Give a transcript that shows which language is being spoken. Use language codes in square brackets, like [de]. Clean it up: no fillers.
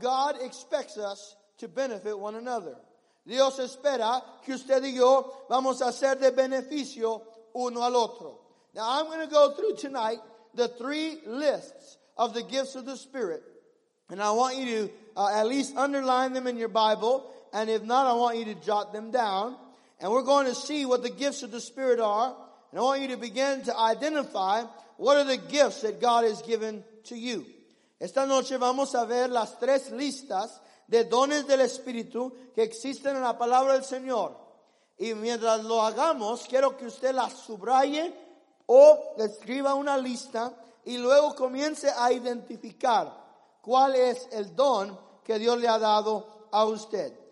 [en] God expects us to benefit one another. [es] Dios espera que usted y yo vamos a ser de beneficio uno al otro. [en] Now I'm going to go through tonight the three lists of the gifts of the Spirit. And I want you to at least underline them in your Bible. And if not, I want you to jot them down. And we're going to see what the gifts of the Spirit are. And I want you to begin to identify what are the gifts that God has given to you. [es] Esta noche vamos a ver las tres listas de dones del Espíritu que existen en la palabra del Señor. Y mientras lo hagamos, quiero que usted las subraye o escriba una lista y luego comience a identificar cuál es el don que Dios le ha dado a usted.